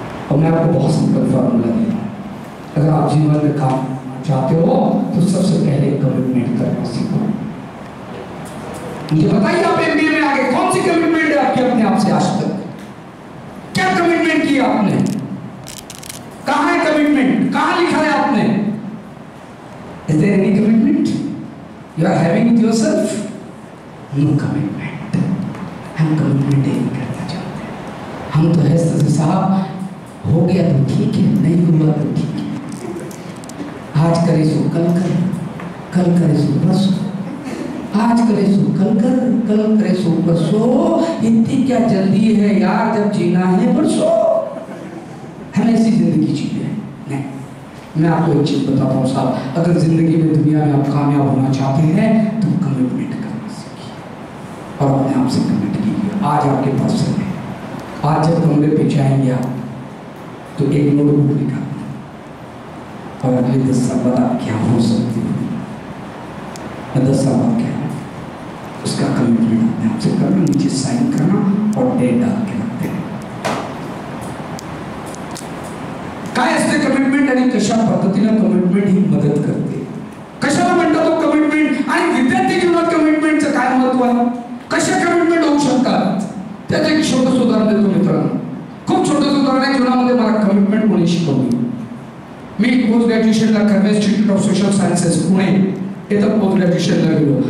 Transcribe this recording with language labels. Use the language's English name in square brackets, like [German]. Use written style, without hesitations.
[Hindi] और मैं आपको बहुत सिंपल फॉर्मूला दे रहा हूं, अगर आप जीवन में काम चाहते हो तो सबसे पहले कमिटमेंट करना सीखो। मुझे बताइए आप एमबीए में आगे कौन सी कमिटमेंट है आपकी अपने आप से आज तक? क्या कमिटमेंट किया आपने? कहां है कमिटमेंट? कहां लिखा है आपने? [English] Is there any commitment you are having with yourself? No commitment. [Hindi] हम कमिटमेंट नहीं करना चाहते। हम तो है सर साहब, हो गया तो ठीक है, नहीं हुआ तो ठीक है, आज करे सो कल कर, कल करे सो परसों, आज करे सो कल कर, कल करे सो परसों, इतनी क्या जल्दी है यार, जब जीना है परसों। हम ऐसी जिंदगी जीते हैं नहीं। मैं आपको एक चीज बताता हूँ साहब, अगर जिंदगी में दुनिया में आप कामयाब होना चाहते हैं तो कमिटमेंट करना सीखिए और अपने आप से कमिट कीजिए। आज आपके पास समय है, आज जब कमरे पे जाएंगे आप तो एक नोटबुक निकालिए और अगले 10 साल बाद आप क्या हो सकते हो, 10 साल बाद क्या उसका कमिटमेंट अपने आप से करना, नीचे साइन करना और डेट डाल के रखते हैं। [Marathi] कायस्थ कमिटमेंट आणि कशा पद्धतीने कमिटमेंट ही मदत करते, कशा म्हणतो तो कमिटमेंट, आणि विद्यार्थी जीवनात कमिटमेंटचं काय महत्व आहे, कशा कमिटमेंट होऊ शकतात, त्याचं एक छोटस उदाहरण देतो मित्रांनो। खूप छोटस उदाहरण आहे, जीवनामध्ये मला कमिटमेंट कोणी शिकवली? मी post ग्रॅज्युएशनला Karve institute of social sciences Pune इथं पोस्ट ग्रॅज्युएशनला गेलो।